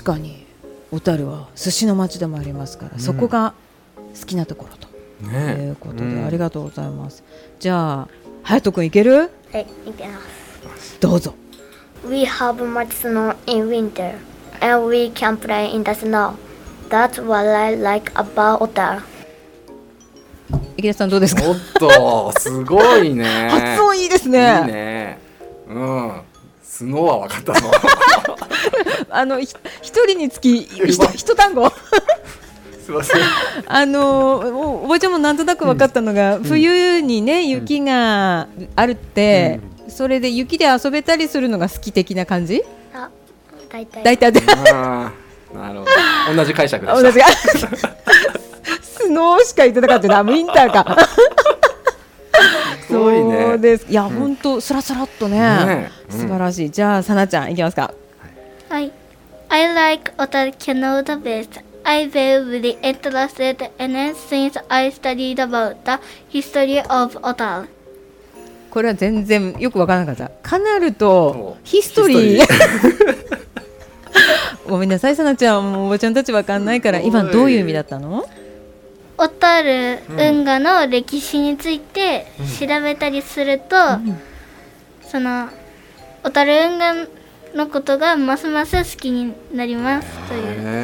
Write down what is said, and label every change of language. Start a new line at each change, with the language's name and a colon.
Japanese: 確かに小樽は寿司の町でもありますから、うん、そこが好きなところと、ね、いうことで、うん、ありがとうございます。じゃあ、隼人くん行ける？はい、行けます。どうぞ。
English: We have much snow in winter and we can play in the snow. That's what I like about 小樽。
Japanese: 池田さんどうですか？おっと、すごいね発音いいですね。いいね、うん、スノーは分かったぞあの一人につき一単語すいません、おばちゃんもなんとなく分かったのが、うん、冬にね雪があるって、うん、それで雪で遊べたりするのが好き的な感じ。あ、だいたい、だいたいなるほど、同じ解釈でした。同じかスノーしか言ってなかったウィンターかすごいね。そうです、いや、うん、ほんとスラスラっと ね、素晴らしい。じゃあさなちゃん行きますか。
English: はい、I like Otan Canal the best. I've been really interested in it since I studied about the history of Otan.
Japanese: これは全然よく分からなかった。カナルとヒストリーごめんなさい、さなちゃん、おばちゃんたち分かんないから、今どういう意味だったの？オタル運河の歴史について調べたりすると、うんうん、そのオタル運河のことがますます好きになりますという。